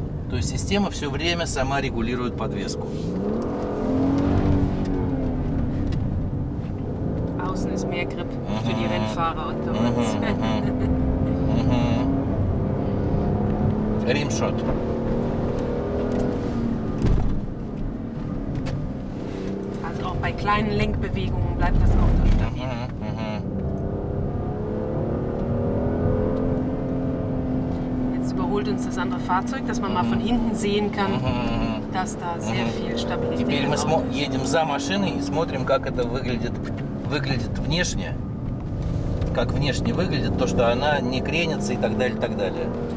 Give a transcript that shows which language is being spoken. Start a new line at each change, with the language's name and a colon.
Russian: То есть система все время сама регулирует подвеску.
German: Außen ist mehr Grip für die Rennfahrer unter uns.
English: Rimshot.
German: Also auch bei kleinen Lenkbewegungen bleibt das Auto stabil. Holt uns das andere Fahrzeug, dass man mal von hinten sehen kann, dass da sehr viel Stabilität ist.
Russian: Теперь мы едем за машиной и смотрим, как это выглядит внешне. Как внешне выглядит, то, что она не кренится и так далее, и так далее.